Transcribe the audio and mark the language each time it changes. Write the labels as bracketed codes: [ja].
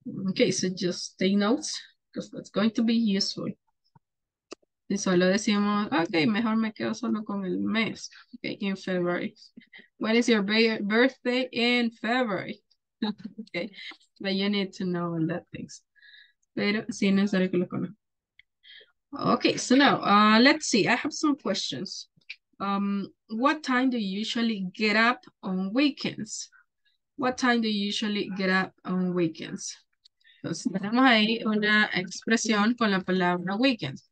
[en] Okay, so just take notes, because that's going to be useful. [es] Y solo decimos, okay, mejor me quedo solo con el mes. [en] Okay, in February. What is your birthday in February? Okay, but you need to know all that things. [es] Pero sí, es necesario que lo conozca. [en] Okay, so now, let's see. I have some questions. What time do you usually get up on weekends? What time do you usually get up on weekends? [es] Entonces, tenemos ahí una expresión con la palabra weekends.